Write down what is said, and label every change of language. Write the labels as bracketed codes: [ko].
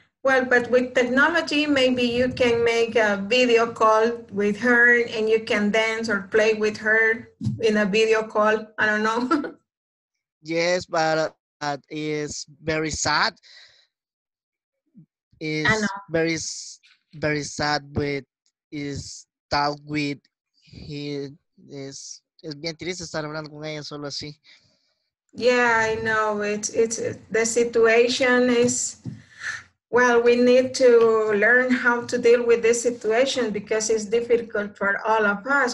[en] Well, but with technology, maybe you can make a video call with her and you can dance or play with her in a video call. I don't know. Yes, but that is very sad. Is very, very sad with his talk with he is. [es] Es bien triste estar hablando con ella solo así. [en] Yeah, I know. It's the situation is, well, we need to learn how to deal with this situation because it's difficult for all of us.